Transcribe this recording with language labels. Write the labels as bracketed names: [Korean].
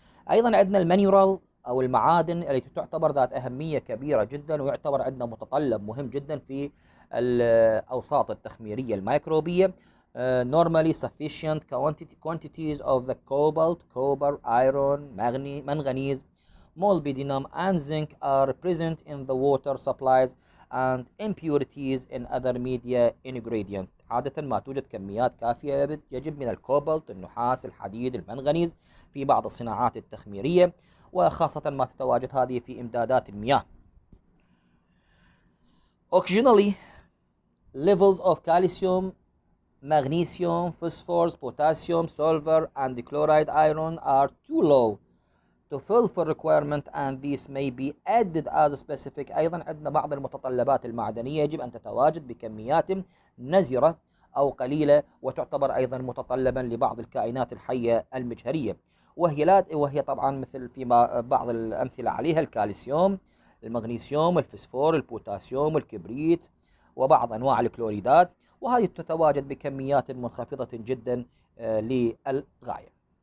[Arabic] ايضا عندنا المينرال او المعادن التي تعتبر ذات اهميه كبيره جدا، ويعتبر عندنا متطلب مهم جدا في الاوساط التخميريه الميكروبيه. [English] normally sufficient quantities of the cobalt, copper, iron, manganese, molybdenum and zinc are present in the water supplies and impurities in other media ingredient. [Arabic] عادة ما توجد كميات كافية يجب من الكوبالت، النحاس، الحديد، المنغنيز في بعض الصناعات التخميرية، وخاصة ما تتواجد هذه في إمدادات المياه. [English] Occasionally, levels of calcium, magnesium, phosphorus, potassium, sulfur, and chloride iron are too low to fulfill requirement and these may be added as specific. [Arabic] أيضا عندنا بعض المتطلبات المعدنية يجب أن تتواجد بكميات نزرة أو قليلة، وتعتبر أيضا متطلبا لبعض الكائنات الحية المجهرية، وهي طبعا مثل فيما بعض الأمثلة عليها الكالسيوم، المغنيسيوم، الفسفور، البوتاسيوم، الكبريت، وبعض أنواع الكلوريدات، وهذه تتواجد بكميات منخفضة جدا للغاية.